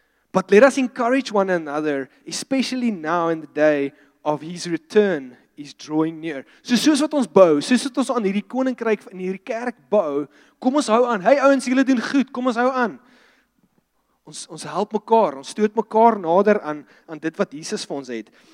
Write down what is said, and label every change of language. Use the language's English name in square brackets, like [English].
[English] But let us encourage one another, especially now in the day of his return is drawing near. [Afrikaans] So soos wat ons bou, soos wat ons aan hierdie koninkryk, in hierdie kerk bou, kom ons hou aan. Hey ouens, julle doen goed, kom ons hou aan. Ons help mekaar, ons stoot mekaar nader aan dit wat Jesus vir ons het.